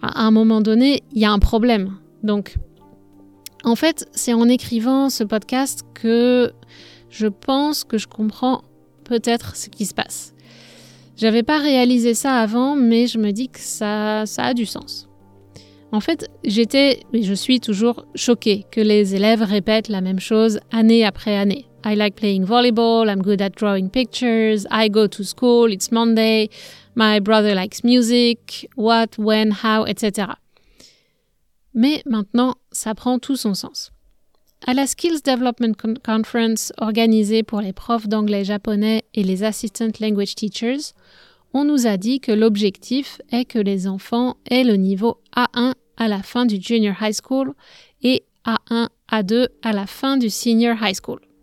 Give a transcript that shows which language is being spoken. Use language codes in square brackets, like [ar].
[fr] À un moment donné, il y a un problème. Donc, en fait, c'est en écrivant ce podcast que je pense que je comprends peut-être ce qui se passe. J'avais pas réalisé ça avant, mais je me dis que ça a du sens. En fait, j'étais, et je suis toujours choquée que les élèves répètent la même chose année après année. [en] I like playing volleyball, I'm good at drawing pictures, I go to school, it's Monday, my brother likes music, what, when, how, etc. [fr] Mais maintenant, ça prend tout son sens. À la Skills Development Conference organisée pour les profs d'anglais japonais et les Assistant Language Teachers, on nous a dit que l'objectif est que les enfants aient le niveau A1 à la fin du junior high school et A1, A2 à la fin du senior high school.